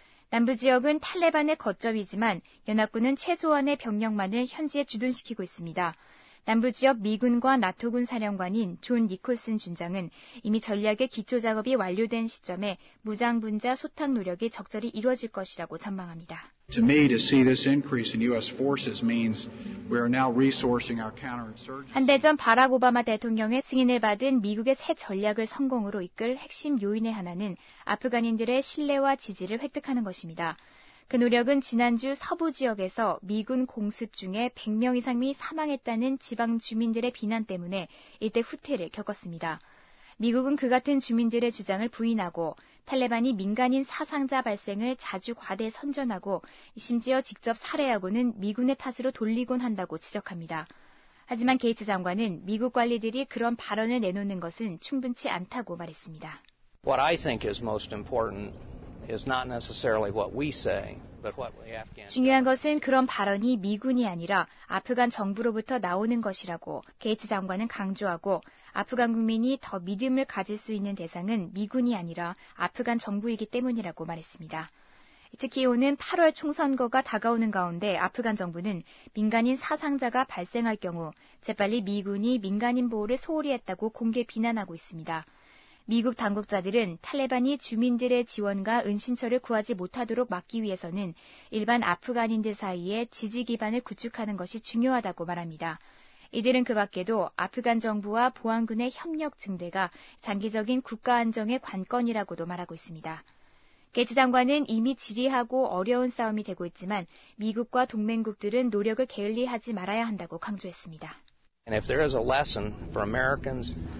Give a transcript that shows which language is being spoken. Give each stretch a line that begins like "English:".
Korean: 남부 지역은 탈레반의 거점이지만 연합군은 최소한의 병력만을 현지에 주둔시키고 있습니다. 남부지역 미군과 나토군 사령관인 존 니콜슨 준장은 이미 전략의 기초작업이 완료된 시점에 무장분자 소탕 노력이 적절히 이루어질 것이라고 전망합니다.
English: To me, to see this increase in U.S. forces means we are now resourcing our counterinsurgency.
Korean: 한 대 전 바락 오바마 대통령의 승인을 받은 미국의 새 전략을 성공으로 이끌 핵심 요인의 하나는 아프간인들의 신뢰와 지지를 획득하는 것입니다. 그 노력은 지난주 서부 지역에서 미군 공습 중에 100명 이상이 사망했다는 지방 주민들의 비난 때문에 일대 후퇴를 겪었습니다. 미국은 그 같은 주민들의 주장을 부인하고 탈레반이 민간인 사상자 발생을 자주 과대 선전하고 심지어 직접 살해하고는 미군의 탓으로 돌리곤 한다고 지적합니다. 하지만 게이츠 장관은 미국 관리들이 그런 발언을 내놓는 것은 충분치 않다고 말했습니다.
English: What I think is most important is not necessarily what we say, but what the Afghans.
Korean: 중요한 것은 그런 발언이 미군이 아니라 아프간 정부로부터 나오는 것이라고 게이츠 장관은 강조하고 아프간 국민이 더 믿음을 가질 수 있는 대상은 미군이 아니라 아프간 정부이기 때문이라고 말했습니다. 특히 오는 8월 총선거가 다가오는 가운데 아프간 정부는 민간인 사상자가 발생할 경우 재빨리 미군이 민간인 보호를 소홀히 했다고 공개 비난하고 있습니다. 미국 당국자들은 탈레반이 주민들의 지원과 은신처를 구하지 못하도록 막기 위해서는 일반 아프간인들 사이에 지지 기반을 구축하는 것이 중요하다고 말합니다. 이들은 그 밖에도 아프간 정부와 보안군의 협력 증대가 장기적인 국가 안정의 관건이라고도 말하고 있습니다. 게이츠 장관은 이미 지리하고 어려운 싸움이 되고 있지만 미국과 동맹국들은 노력을 게을리하지 말아야 한다고 강조했습니다.
English: And if there is a lesson for Americans,